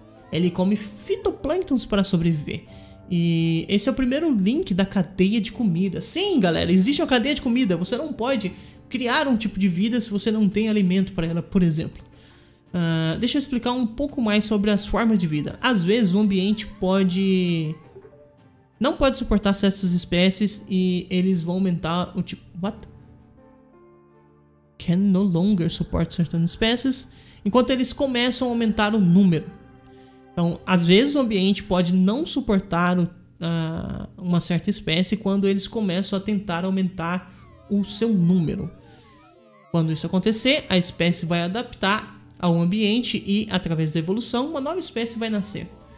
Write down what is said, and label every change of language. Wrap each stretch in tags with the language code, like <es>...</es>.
<pt>Ele come fitoplânctons para sobreviver. E esse é o primeiro link da cadeia de comida. Sim, galera, existe uma cadeia de comida. Você não pode criar um tipo de vida se você não tem alimento para ela, por exemplo. Deixa eu explicar um pouco mais sobre as formas de vida. Às vezes o ambiente pode... não pode suportar certas espécies e eles vão aumentar o tipo...</pt> <en>What? Can no longer support certain species.</en> <pt>Enquanto eles começam a aumentar o número. Então, às vezes o ambiente pode não suportar uma certa espécie quando eles começam a tentar aumentar o seu número. Quando isso acontecer, a espécie vai adaptar ao ambiente e, através da evolução, uma nova espécie vai nascer.</pt>